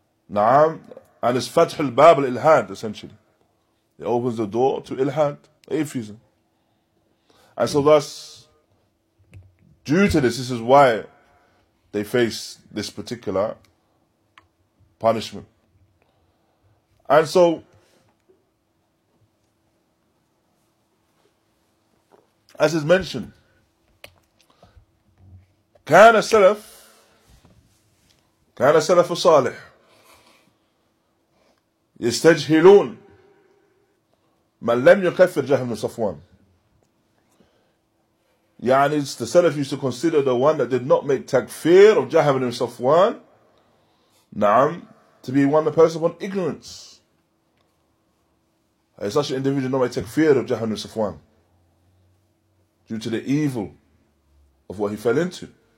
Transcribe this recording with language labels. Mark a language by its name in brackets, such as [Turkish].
[English] Naam, and it's fath al-bab al-ilhad, essentially. It opens the door to ilhad, atheism. And so thus, due to this, this is why they face this particular punishment. And so, as is mentioned, [Arabic] كان السلف صالح يستجهلون من لم يكفر جهل بن صفوان. [English] يعني the Salaf used to consider the one that did not make takfir of Jahab ibn Safwan, نعم, to be one person of ignorance. And such an individual did not make takfir of Jahab ibn Safwan due to the evil of what he fell into.